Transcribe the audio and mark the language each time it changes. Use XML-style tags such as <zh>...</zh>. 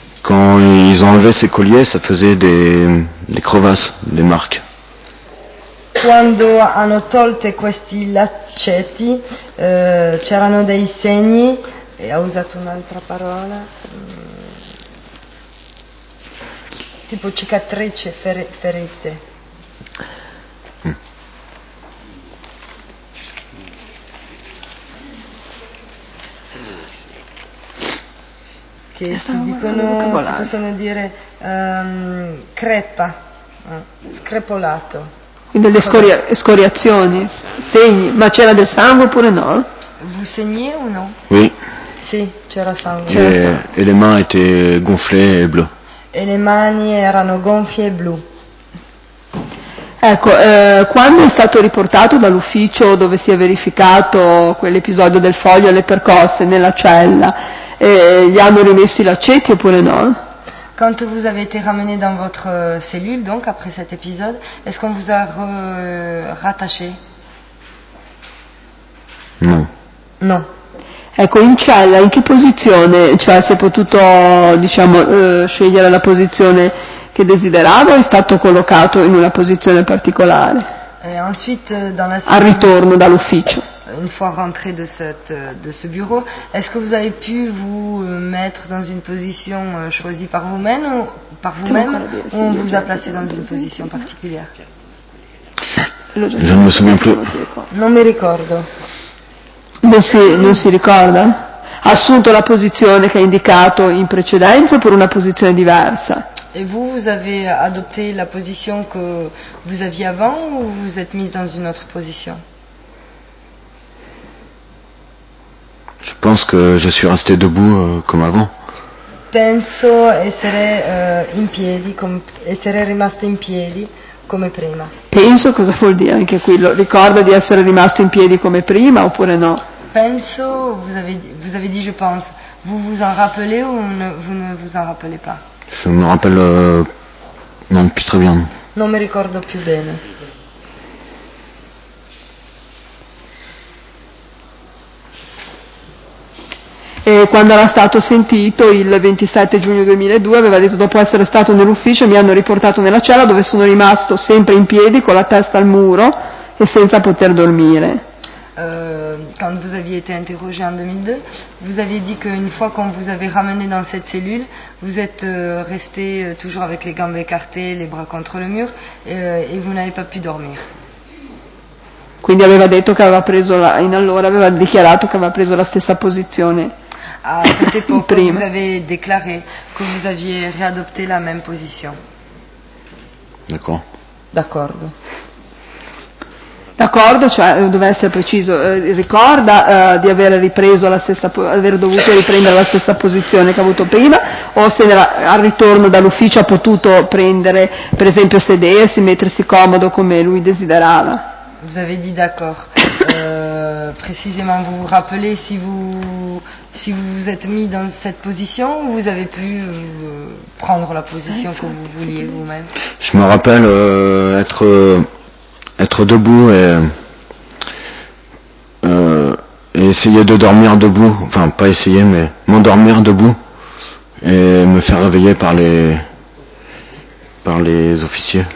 <fr>Quand ils ont enlevé ces colliers, ça faisait des crevasses, des marques.</fr> <it>Quando hanno tolto questi lacetti, c'erano dei segni. E ha usato un'altra parola. Tipo cicatrici, ferite. Che si dicono, si possono dire crepa, screpolato. Quindi delle scoriazioni, segni, ma c'era del sangue oppure no?</it> <fr>Vous saignez</fr> <it>o no?</it> <fr>Oui.</fr> <it>Sì, c'era sangue. E le mani</it> <fr>étaient gonflées et bleues.</fr> <it>E le mani erano gonfie e blu. Ecco, quando è stato riportato dall'ufficio dove si è verificato quell'episodio del foglio e le percosse nella cella, gli hanno rimesso i lacetti oppure no? Quando</it> <fr>vous avez été ramené dans votre cellule, donc après cet épisode, est-ce qu'on vous a rattaché? No.</fr> <it>No. Ecco, in cella, in che posizione? Cioè, si è potuto, diciamo, scegliere la posizione che desiderava o è stato collocato in una posizione particolare?</it> <fr>Et ensuite, dans la</fr> <it>al ritorno dall'ufficio.</it> <fr>Une fois rentré de ce bureau, est-ce que vous avez pu vous mettre dans une position choisie par vous-même ou par vous-même ou on vous a placé dans une position particulière? Je ne me souviens plus.</fr> <it>Non mi ricordo. Non si ricorda? Ha assunto la posizione che ha indicato in precedenza per una posizione diversa?</it> <fr>Et vous avez adopté la position que vous aviez avant ou vous êtes mise dans une autre position? Je pense que je suis resté debout comme avant.</fr> <it>Penso essere in piedi, essere rimasto in piedi come prima. Penso cosa vuol dire anche quello? Ricorda di essere rimasto in piedi come prima oppure no? Penso,</it> <fr>vous avez dit je pense. Vous vous en rappelez ou vous ne vous en rappelez pas? Je me rappelle non plus très bien.</fr> <it>Non mi ricordo più bene. E quando era stato sentito il 27 giugno 2002 aveva detto dopo essere stato nell'ufficio mi hanno riportato nella cella dove sono rimasto sempre in piedi con la testa al muro e senza poter dormire.</it> <fr>Quand vous aviez été interrogé en 2002, vous aviez dit qu'une fois qu'on vous avait ramené dans cette cellule, vous êtes resté toujours avec les gambes écartées, les bras contre le mur et vous n'avez pas pu dormir.</fr> <it>Quindi aveva detto che aveva preso la, in allora aveva dichiarato che aveva preso la stessa posizione.</it> <fr>A cette époque, vous avez déclaré que vous aviez réadopté la même position. D'accord.</fr> <it>D'accordo. D'accordo, cioè deve essere preciso, ricorda di aver ripreso la stessa, aver dovuto riprendere la stessa posizione che ha avuto prima o se al ritorno dall'ufficio ha potuto prendere, per esempio, sedersi, mettersi comodo come lui desiderava.</it> <fr>Vous avez dit d'accord. Précisément, vous vous rappelez si vous vous êtes mis dans cette position ou vous avez pu prendre la position que vous vouliez vous-même? Je me rappelle être debout et essayer de dormir debout, enfin pas essayer mais m'endormir debout et me faire réveiller par les officiers.</fr>